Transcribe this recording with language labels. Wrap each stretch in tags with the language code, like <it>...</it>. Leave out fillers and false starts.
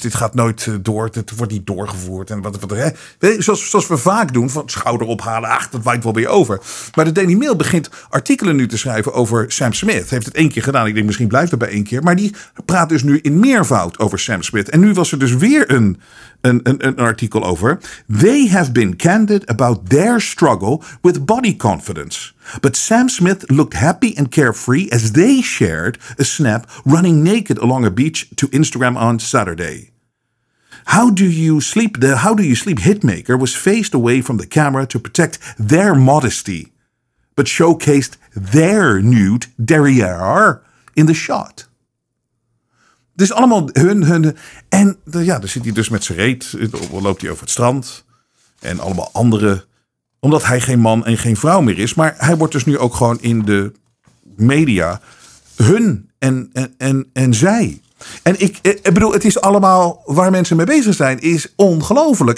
<nl>Dit gaat nooit door. Dit wordt niet doorgevoerd. En zoals we vaak doen, van schouder ophalen. Ach, dat waait wel weer over. Maar de Daily Mail begint artikelen nu te schrijven over Sam Smith. Heeft het 1 keer gedaan. Ik denk misschien blijft het bij 1 keer. Maar die praat dus nu in meervoud over Sam Smith. En nu was er dus weer een artikel over.</nl> <en>They have been candid about their struggle with body confidence. But Sam Smith looked happy and carefree as they shared a snap running naked along a beach to Instagram on Saturday. How do you sleep? Hitmaker was faced away from the camera to protect their modesty, but showcased their nude derrière in the shot.</en> <nl>Dus allemaal hun. En ja, dan zit hij dus met zijn reet. Loopt hij over het strand. En allemaal andere. Omdat hij geen man en geen vrouw meer is. Maar hij wordt dus nu ook gewoon in de media. Hun en zij. En ik bedoel, het is allemaal waar mensen mee bezig zijn, is ongelooflijk.</nl>